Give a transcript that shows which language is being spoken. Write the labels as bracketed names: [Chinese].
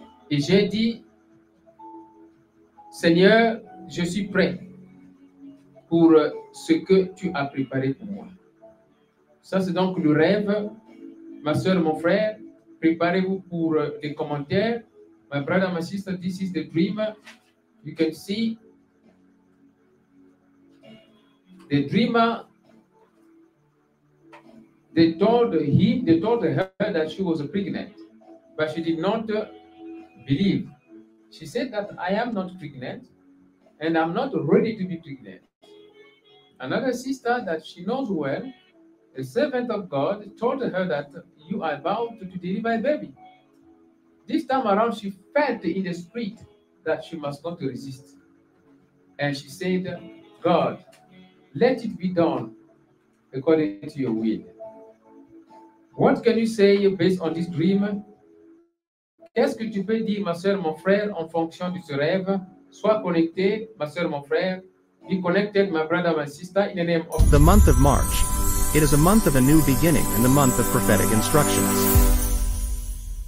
[French] Et j'ai dit, Seigneur, je suis prêt pour ce que tu as préparé pour moi. Ça, c'est donc le rêve. Ma soeur, mon frère, préparez-vous pour les commentaires. [English] My brother, my sister, this is the dream. You can see the dreamer, they told her that she was pregnant, but she did not believe. She said that I am not pregnant and I'm not ready to be pregnant. Another sister that she knows well, a servant of God, told her that you are about to deliver a baby. This time around, she felt in the spirit that she must not resist. And she said, God, let it be done according to your will. What can you say based on this dream? [French] Qu'est-ce que tu peux dire, ma soeur, mon frère, en fonction de ce rêve? Sois connecté, ma soeur, mon frère. [English] Be connected, my brother, my sister, in the name of the month of March. It is a month of a new beginning and the month of prophetic instructions.